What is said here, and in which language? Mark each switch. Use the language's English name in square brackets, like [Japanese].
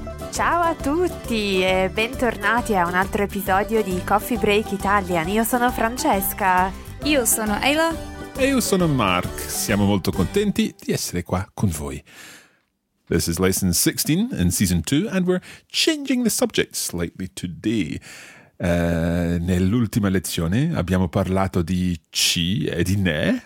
[Italian] Ciao a tutti e bentornati a un altro episodio di Coffee Break Italian. Io sono Francesca. Io sono Ayla. E io sono Mark. Siamo molto contenti di essere qua con voi. [English] This is lesson 16 in season 2 and we're changing the subject slightly today. [Italian] Nell'ultima lezione abbiamo parlato di ci e di ne.